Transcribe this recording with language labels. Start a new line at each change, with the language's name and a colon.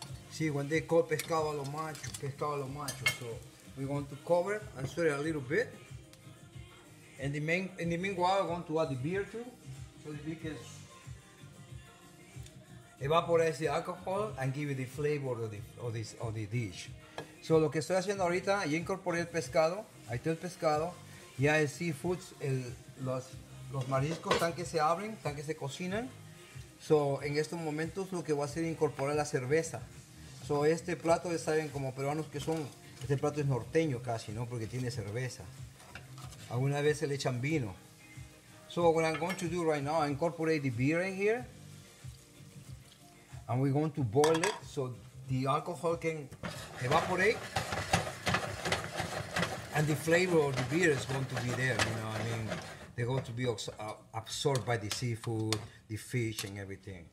English: See, when they call pescado a lo macho, so we're going to cover and sweat it a little bit. And in the meanwhile, I'm going to add the beer too, so the beer can evaporate the alcohol and give it the flavor of the dish.
Spanish: So lo que estoy haciendo ahorita, ya incorporé el pescado, ahí está el pescado, ya el seafood, los mariscos están que se abren, están que se cocinan. So en estos momentos lo que voy a hacer es incorporar la cerveza. So este plato, ya saben, como peruanos que son, este plato es norteño casi, ¿no? Porque tiene cerveza. Alguna vez se le echan vino.
English: So what I'm going to do right now, I incorporate the beer in here. And we're going to boil it so the alcohol can evaporate. And the flavor of the beer is going to be there, you know what I mean? They're going to be absorbed by the seafood, the fish and everything.